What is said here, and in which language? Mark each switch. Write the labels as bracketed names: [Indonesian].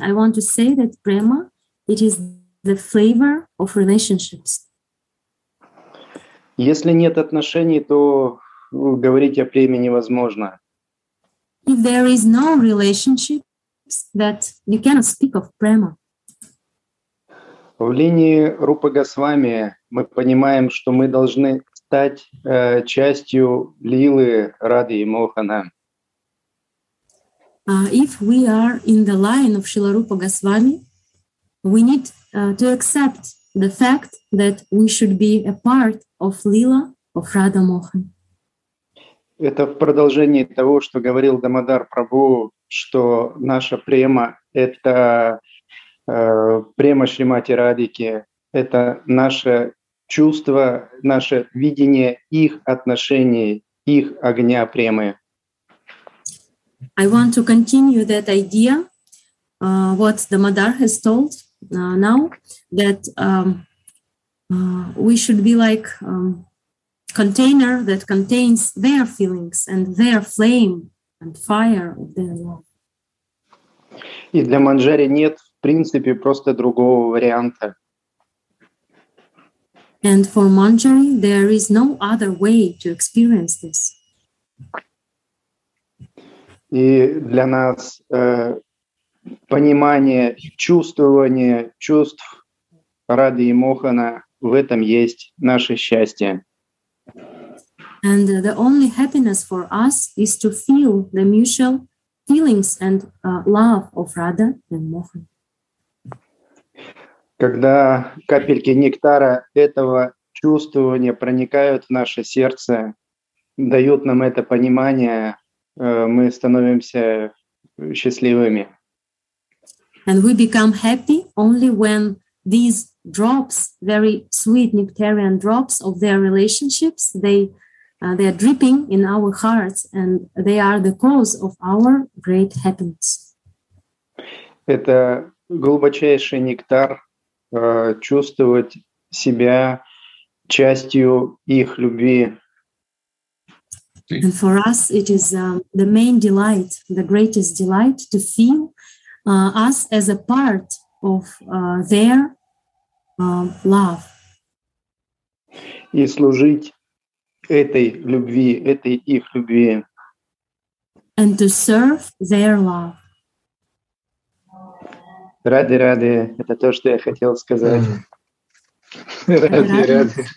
[English] I want to say that према — it is the flavor of relationships. [Russian] Если нет отношений, то говорить о преме невозможно. [English] If there is no relationship, that you cannot speak of prema. [Russian] В линии Рупы Госвами мы понимаем, что мы должны стать частью лилы Рады и Мохана. [English] If we are in the line of Шрила Рупа Госвами, we need to accept the fact that we should be a part of lila of Radha Mohan. [Russian] Это в продолжении того, что говорил Дамодар Прабху, что наша према — это према Шримати Радики, это наше чувство, наше видение их отношений, их огня премы. [English] I want to continue that idea, what Дамодар has told now, that we should be like container that contains their feelings and their flame and fire of their love. [Russian] И для Манджари нет, в принципе, просто другого варианта. [English] And for Manjari, there is no other way to experience this. [Russian] И для нас понимание, чувствование чувств Рады и Мохана, в этом есть наше счастье. [English] And the only happiness for us is to feel the mutual feelings and love of Radha and Mohan. [Russian] Когда капельки нектара этого чувствования проникают в наше сердце, дают нам это понимание, мы становимся счастливыми. [English] And we become happy only when these drops, very sweet nectarian drops of their relationships, they are dripping in our hearts, and they are the cause of our great happiness. [Russian] Это глубочайший нектар, чувствовать себя частью их любви. [English] And for us, it is the main delight, the greatest delight, to feel us as a part of their love. [Russian] И служить этой любви, этой их любви. [English] And to serve their love. [Russian] Ради, ради, это то, что я хотел сказать. Ради, ради.